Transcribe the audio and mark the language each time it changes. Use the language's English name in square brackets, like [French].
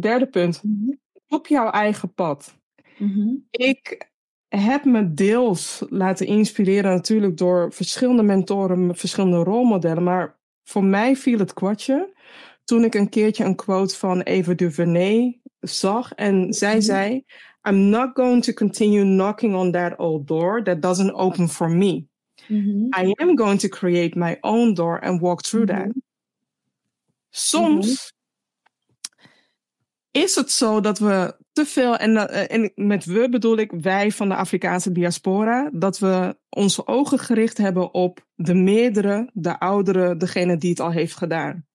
[Dutch] Derde punt, op jouw eigen pad. Mm-hmm. Ik heb me deels laten inspireren natuurlijk door verschillende mentoren, verschillende rolmodellen. Maar voor mij viel het kwartje toen ik een keertje een quote van Ava DuVernay zag. En zij zei, [English] I'm not going to continue knocking on that old door that doesn't open for me. Mm-hmm. I am going to create my own door and walk through that. [Dutch] Soms is het zo dat we te veel, en met we bedoel ik wij van de Afrikaanse diaspora, dat we onze ogen gericht hebben op de meerdere, de oudere, degene die het al heeft gedaan.